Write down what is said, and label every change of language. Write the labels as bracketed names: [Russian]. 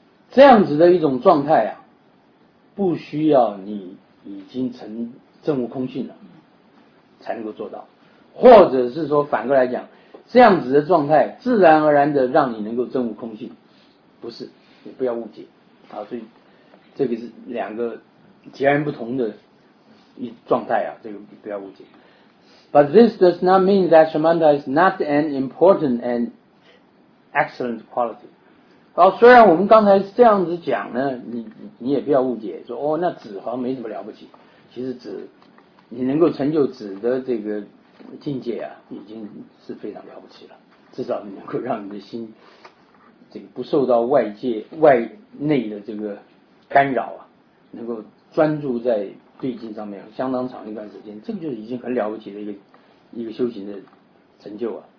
[Chinese] 这样子的一种状态啊，不需要你已经成证悟空性了才能够做到，或者是说反过来讲，这样子的状态自然而然的让你能够证悟空性，不是，你不要误解啊。所以这个是两个截然不同的一状态啊，这个不要误解。 [English] But this does not mean that shamatha is not an important and excellent quality. [Chinese] 好，虽然我们刚才这样子讲呢，你也不要误解，说哦，那止好像没什么了不起。其实止，你能够成就止的这个境界啊，已经是非常了不起了。至少你能够让你的心这个不受到外界外内的这个干扰啊，能够专注在对境上面相当长一段时间，这个就已经很了不起的一个修行的成就啊。